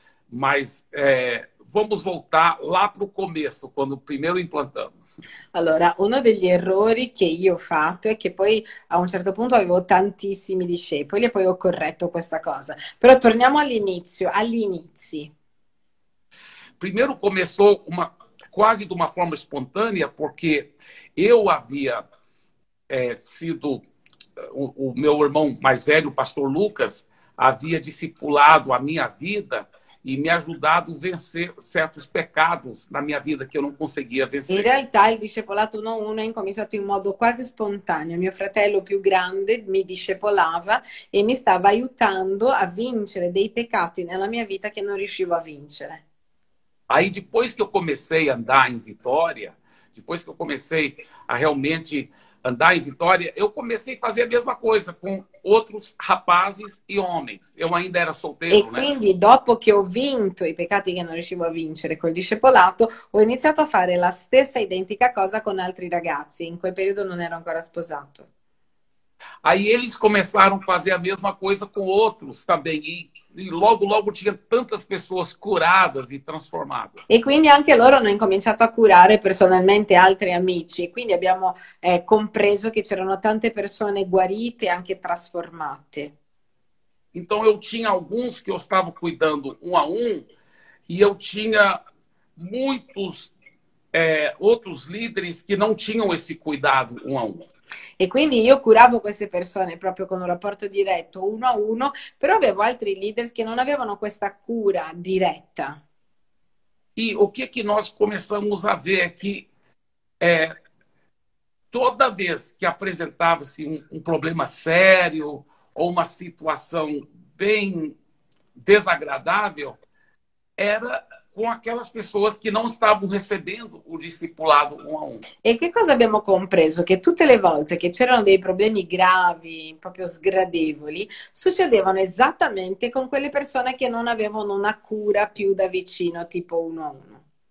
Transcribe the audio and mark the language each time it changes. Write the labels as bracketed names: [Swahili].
[Portuguese] Mas vamos voltar lá para o começo, quando primeiro implantamos. [Italian] Allora, uno degli errori che io ho fatto è che poi a un certo punto avevo tantissimi discepoli e poi ho corretto questa cosa. Però torniamo all'inizio, agli inizi. [Portuguese] Primeiro começou quase de uma forma espontânea, porque eu havia sido o meu irmão mais velho, o pastor Lucas, havia discipulado a minha vida e me ajudado a vencer certos pecados na minha vida que eu não conseguia vencer. [Italian] In realtà il discepolato uno a uno è incominciato in modo quasi spontaneo. Mio fratello più grande mi discepolava e mi stava aiutando a vincere dei peccati nella mia vita che non riuscivo a vincere. [Portuguese] Aí depois que eu comecei a andar em vitória, depois que eu comecei a realmente andar em vitória, eu comecei a fazer a mesma coisa com outros rapazes e homens. Eu ainda era solteiro, e né? [Italian] E quindi, dopo [Portuguese] que eu [Italian] vinto i peccati che non riuscivo a vincere col discepolato, ho iniziato a fare la stessa identica cosa con altri ragazzi. In quel periodo non ero ancora sposato. [Portuguese] Aí eles começaram a fazer a mesma coisa com outros também e logo logo tinha tantas pessoas curadas e transformadas. [Italian] E quindi anche loro hanno incominciato a curare personalmente altri amici e quindi abbiamo compreso che c'erano tante persone guarite e anche trasformate. [Portuguese] Então eu tinha alguns que eu estava cuidando um a um e eu tinha muitos outros líderes que não tinham esse cuidado um a um. [Italian] E quindi io curavo queste persone proprio con un rapporto diretto, uno a uno, però avevo altri leaders che non avevano questa cura diretta. [Portuguese] E o que nós começamos a ver é que toda vez que apresentava-se um problema sério ou uma situação bem desagradável, era com aquelas pessoas que não estavam recebendo o discipulado um a um. [Italian] E que cosa abbiamo compreso? Que tutte le volte que c'erano dei problemi gravi, proprio sgradevoli, succedevano esattamente con quelle persone che non avevano una cura più da vicino, tipo uno a uno.